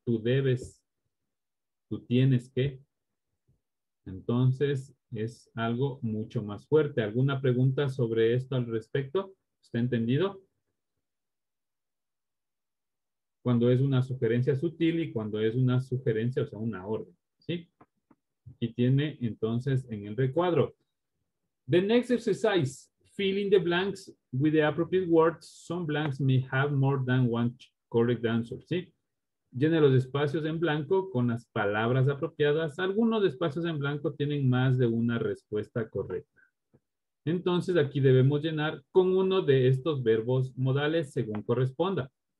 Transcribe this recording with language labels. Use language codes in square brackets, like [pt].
[es] Tú debes, tú tienes que. Entonces, es algo mucho más fuerte. ¿Alguna pregunta sobre esto al respecto? ¿Está entendido? Cuando es una sugerencia sutil y cuando es una sugerencia, o sea, una orden, ¿sí? Y tiene entonces en el recuadro. [en] The next exercise, fill in the blanks with the appropriate words. Some blanks may have more than one correct answer, ¿sí? [es] Llene los espacios en blanco con las palabras apropiadas. Algunos espacios en blanco tienen más de una respuesta correcta. Entonces aquí debemos llenar con uno de estos verbos modales según corresponda.